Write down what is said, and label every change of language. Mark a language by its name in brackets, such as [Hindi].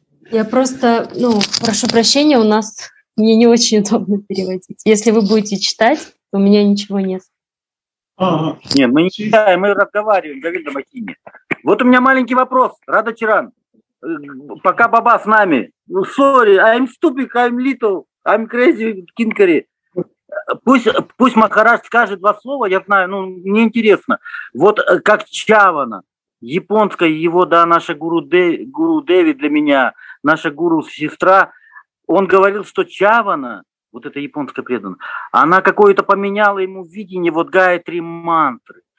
[Russian] Я просто, ну, прошу прощения, у нас мне не очень удобно переводить. Если вы будете читать, то у меня ничего нет. Нет, мы не читаем, мы разговариваем, Гавинда Мохини. Вот у меня маленький вопрос, Радха Чаран. Пока Баба с нами. [English] Sorry, I'm stupid, I'm little, I'm crazy, Кинкари. [Russian] Пусть Махарадж скажет два слова, я знаю, ну, мне интересно. Вот как Чавана, японская его, да, наша гуру Деви для меня, наша гуру-сестра, он говорил, что Чавана, вот эта японская преданная, она какое-то поменяла ему видение, вот Гаятри мантры.